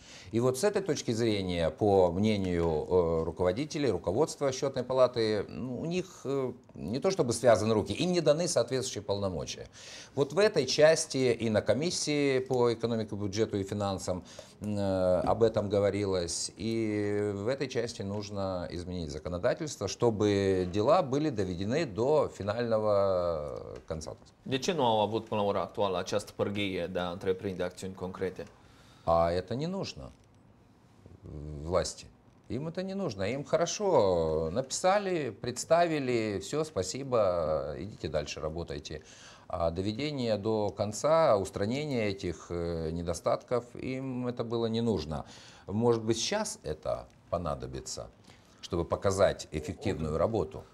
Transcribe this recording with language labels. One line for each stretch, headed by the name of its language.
Russian: И вот с этой точки зрения, по мнению руководителей, руководства Счетной палаты, ну, у них не то чтобы связаны руки, им не даны соответствующие полномочия. Вот в этой части и на комиссии по экономике, бюджету и финансам об этом говорилось. И в этой части нужно изменить законодательство, чтобы дела были доведены до финального конца.
Romanian: De ce nu au avut până la ora actuală această pârghie de a întreprinde acțiuni concrete?
Russian: А это не нужно власти. Им это не нужно. Им хорошо написали, представили, все, спасибо, идите дальше, работайте. А доведение до конца, устранение этих недостатков, им это было не нужно. Может быть, сейчас это понадобится, чтобы показать эффективную работу?